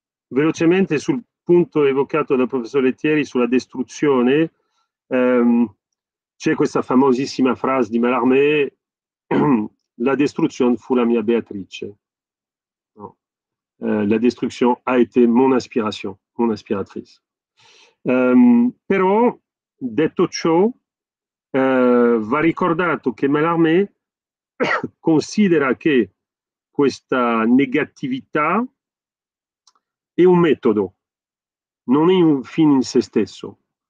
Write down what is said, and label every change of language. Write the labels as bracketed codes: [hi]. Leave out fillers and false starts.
[it] Velocemente sul punto evocato dal professor Lettieri sulla distruzione, c'è questa famosissima frase di Mallarmé: la distruzione fu la mia Beatrice. [fr] La destruction a été mon inspiration, mon inspiratrice. [it] Però, detto ciò, va ricordato che Mallarmé considera che questa negatività è un metodo, non è un fine in se stesso.